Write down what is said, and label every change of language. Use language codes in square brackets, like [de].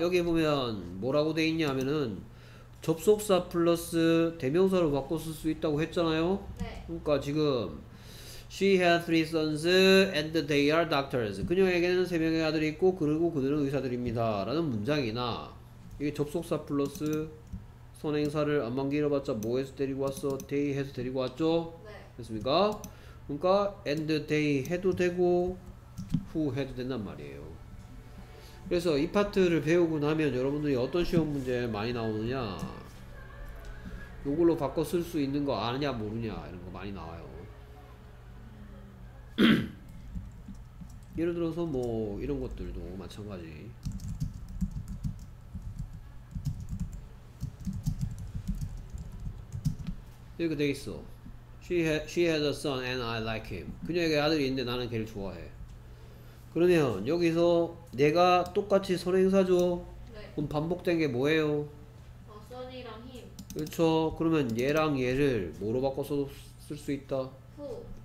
[ko] 여기 보면 뭐라고 돼 있냐 하면은 접속사 플러스 대명사로 바꿔 쓸수 있다고 했잖아요? 그러니까 지금 [en] She has three sons and they are doctors. [ko] 그녀에게는 세 명의 아들이 있고 그리고 그들은 의사들입니다. 라는 문장이나 이게 접속사 플러스 선행사를 안 만기려봤자 뭐 해서 데리고 왔어? they 해서 데리고 왔죠? 됐습니까? 그러니까 and they 해도 되고 who 해도 된단 말이에요. 그래서 이 파트를 배우고 나면 여러분들이 어떤 시험 문제 많이 나오느냐, 요걸로 바꿔 쓸수 있는 거 아느냐 모르냐 이런 거 많이 나와요. 예를 들어서 뭐 이런 것들도 마찬가지. 이렇게 돼 있어. [en] She has a son and I like him. [ko] 그녀에게 아들이 있는데 나는 걔를 좋아해. 그러면 여기서 내가 똑같이 선행사죠. 그럼 반복된 게 뭐예요? [en] Sonny랑 him. [ko] 그렇죠. 그러면 얘랑 얘를 뭐로 바꿔서 쓸수 있다? [en] Who?